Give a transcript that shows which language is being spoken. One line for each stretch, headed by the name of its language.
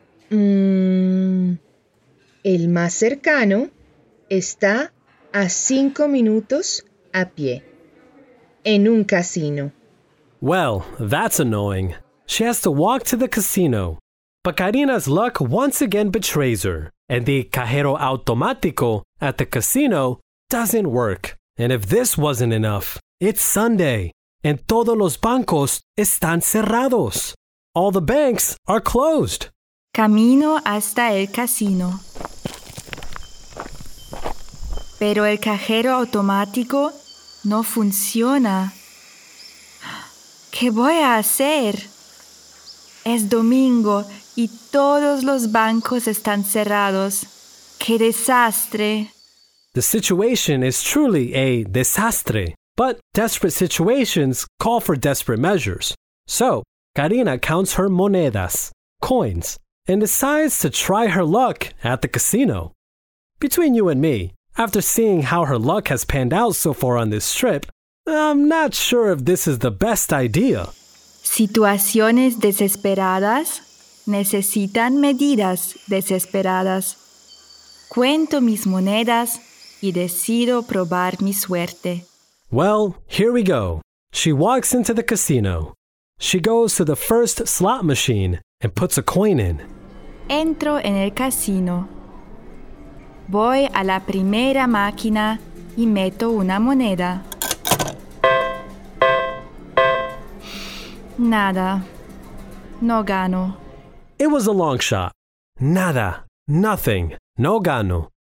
Spanish: El más cercano está a 5 minutos a pie, en un casino.
English: Well, that's annoying. She has to walk to the casino. But Karina's luck once again betrays her, and the cajero automático at the casino doesn't work. And if this wasn't enough, it's Sunday, and
Spanish: todos los bancos están cerrados.
English: All the banks are closed.
Spanish: Camino hasta el casino. Pero el cajero automático no funciona. ¿Qué voy a hacer? Es domingo y todos los bancos están cerrados. ¡Qué desastre!
English: The situation is truly a desastre, but desperate situations call for desperate measures. So, Karina counts her monedas, coins, and decides to try her luck at the casino. Between you and me, after seeing how her luck has panned out so far on this trip, I'm not sure if this is the best idea.
Spanish: Situaciones desesperadas necesitan medidas desesperadas. Cuento mis monedas y decido probar mi suerte.
English: Well, here we go. She walks into the casino. She goes to the first slot machine and puts a coin in.
Spanish: Entro en el casino. Voy a la primera máquina y meto una moneda. Nada. No gano.
English: It was a long shot.
Spanish: Nada.
English: Nothing.
Spanish: No gano.